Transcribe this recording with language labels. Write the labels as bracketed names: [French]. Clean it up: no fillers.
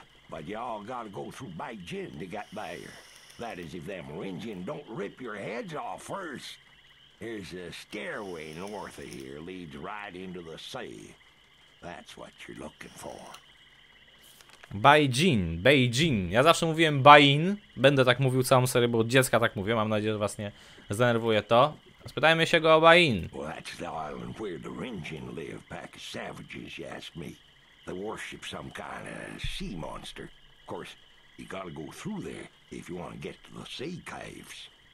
[English] But y'all gotta go through Baijin to get there. That is if them Rinjin don't rip your heads off first. There's a stairway north of here leads right into the sea. That's what you're looking for. [Polish] Baijin. Ja zawsze mówiłem Bain. Będę tak mówił całą serię, bo od dziecka tak mówię. Mam nadzieję, że was nie zdenerwuje to. Spytajmy się go o Bain. [English] Well, that's the island where the Rinjin live, pack of savages, you ask me. They worship some kind of sea monster. Of course, you gotta go through there if you want to get to the sea caves.